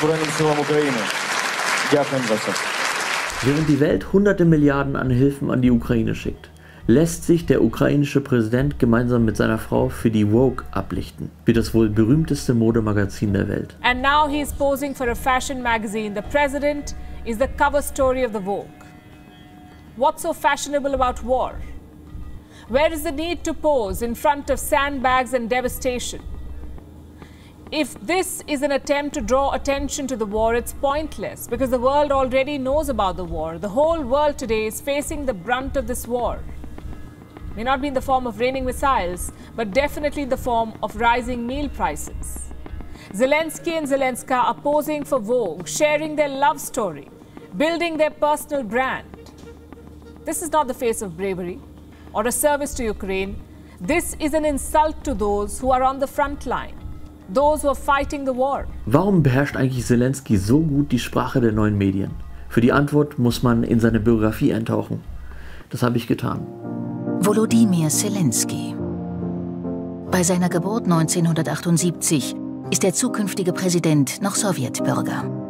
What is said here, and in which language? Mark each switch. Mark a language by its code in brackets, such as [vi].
[de] Während die Welt hunderte Milliarden an Hilfen an die Ukraine schickt, lässt sich der ukrainische Präsident gemeinsam mit seiner Frau für die Vogue ablichten, wie das wohl berühmteste Modemagazin der Welt. [en] And now he is posing for a fashion magazine. The president is the cover story of the Vogue. What's so fashionable about war? Where is the need to pose in front of sandbags and devastation? If this is an attempt to draw attention to the war, it's pointless because the world already knows about the war. The whole world today is facing the brunt of this war. May not be in the form of raining missiles, but definitely in the form of rising meal prices. Zelensky and Zelenska are posing for Vogue, sharing their love story, building their personal brand. This is not the face of bravery or a service to Ukraine. This is an insult to those who are on the front line. Those who are fighting the war. [de] Warum beherrscht eigentlich Zelensky so gut die Sprache der neuen Medien? Für die Antwort muss man in seine Biografie eintauchen. Das habe ich getan. Volodymyr Zelensky. Bei seiner Geburt 1978 ist der zukünftige Präsident noch Sowjetbürger.